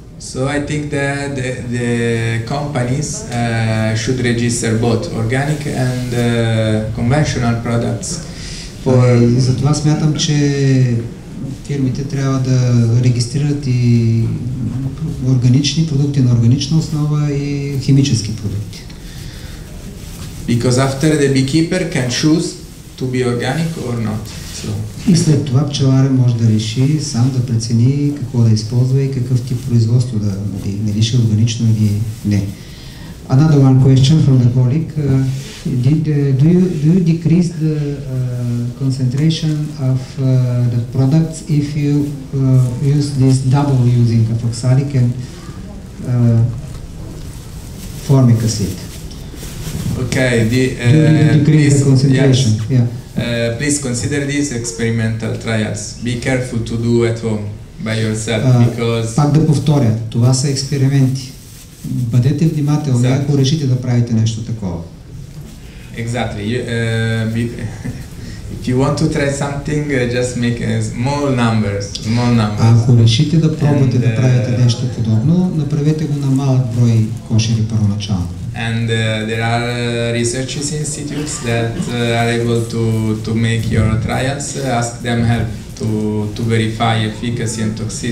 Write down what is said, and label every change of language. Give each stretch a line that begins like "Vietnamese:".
English: So I think that the companies should register both organic and conventional products
Bulgarian: for затова смятам, че фирмите трябва да регистрират и органични продукти на органична основа и химически продукти.
English: Because after the beekeeper can choose to be organic or not. So.
Bulgarian: И след това пчеларът може да реши сам да прецени какво да използва и какъв тип производство да нали, нали ще органично или не.
English: Another one question from the colleague. Do you decrease the concentration of the products if you use this double using of oxalic and formic acid? Okay, decrease the concentration. Yes. Yeah. Please consider these experimental trials. Be careful to do at home by yourself because.
Bulgarian: Пак да повторя, това са експерименти. Бъдете внимателни,
English: exactly.
Bulgarian: Ако решите да правите нещо такова.
English: Exactly. If you want to try something, just make small numbers. Small numbers.
Bulgarian: Ако решите да пробвате да правите нещо подобно, направете го на малък брой кошери първоначално.
English: And there are research institutes that are able to make your trials, ask them help to verify efficacy and toxicity.